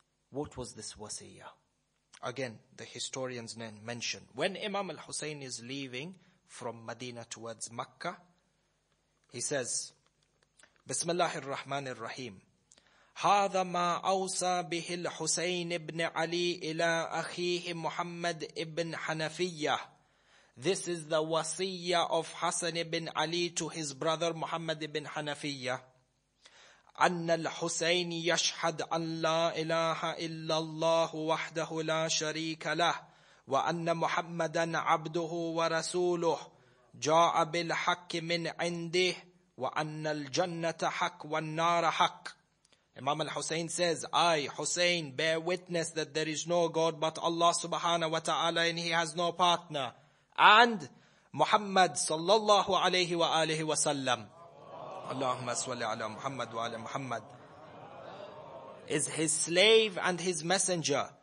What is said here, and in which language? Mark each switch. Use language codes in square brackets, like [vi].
[en] What was this wasiyya? Again, the historians then mention, when Imam al-Hussein is leaving from Medina towards Makkah, he says, Bismillahir Rahmanir Rahim. [ar] هذا ما أوصى به الحسين بن علي إلى أخيه محمد بن حنفية. [en] This is the wasiyya of Hassan ibn Ali to his brother Muhammad ibn Hanafiyya. [ar] أن الحسين يشهد أن لا إله إلا الله وحده لا شريك له وأن محمدا عبده ورسوله جاء بالحق من عنده وأن الجنة حق والنار حق. [en] Imam al-Hussein says, I, Hussein, bear witness that there is no God but Allah subhanahu wa ta'ala and he has no partner. And Muhammad sallallahu alayhi wa alihi wa sallam. [ar] Allahumma salli ala Muhammad wa ala Muhammad. [en] Is his slave and his messenger.